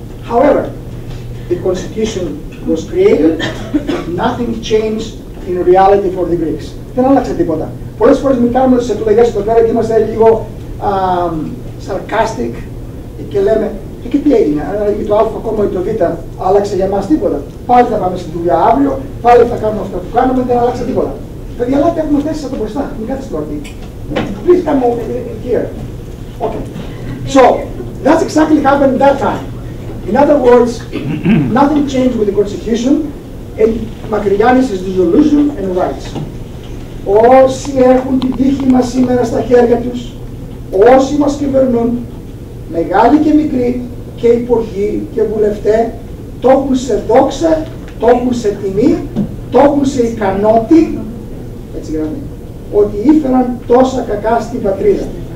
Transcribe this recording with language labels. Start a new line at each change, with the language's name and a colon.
English: However, the constitution was created, nothing changed in reality for the Greeks.
Greek: Δεν άλλαξε τίποτα. Πολλές φορές μην κάνουμε τις εκλογές στο πέρα και είμαστε λίγο sarcastic και λέμε, και τι έγινε, αλλαγή το α ακόμα ή το β, άλλαξε για μας τίποτα. Πάλι θα πάμε στη δουλειά αύριο, πάλι θα κάνουμε αυτό που κάνουμε, δεν άλλαξε τίποτα. Παιδιά, αλλά έχουμε θέσει από μπροστά, μην κάθεσαι τώρα.
English: Please come over here. Okay. So, that's exactly happened that time. In other words, nothing changed with the constitution, and Μακρυγιάννης is dissolution and rights.
Greek: Όσοι έχουν την τύχη μας σήμερα στα χέρια τους, όσοι μας κυβερνούν, μεγάλοι και μικροί, και υπουργοί και βουλευτές, το έχουν σε δόξα, το έχουν σε τιμή, το έχουν σε ικανότη, έτσι γράφει, ότι ήφεραν τόσα κακά στην πατρίδα.